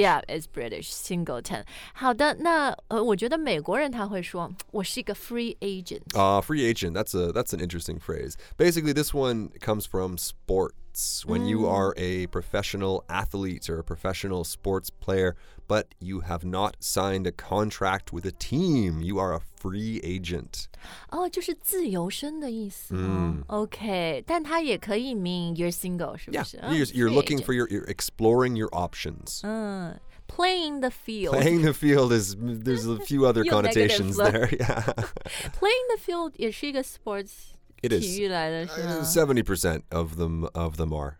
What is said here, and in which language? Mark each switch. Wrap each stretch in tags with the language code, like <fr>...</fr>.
<zh>Yeah, it's British, singleton. 好的，那我觉得美国人他会说我是一个 free agent.</zh> <en>Free agent, that's an interesting phrase. Basically, this one comes from sports. sports, when you are a professional athlete or a professional sports player, but you have not signed a contract with a team, you are a free agent.</en> <zh>Oh, 就是自由身的意思。 OK, 但它也可以 mean you're single, 是不是?</zh> <en>Yeah, you're looking for you're exploring your options. Playing the field. Playing the field is, there's a few other connotations there. Yeah.</en> <zh>Playing the field 也是一个 sports</zh> <en>It is. 70% of them are.</en>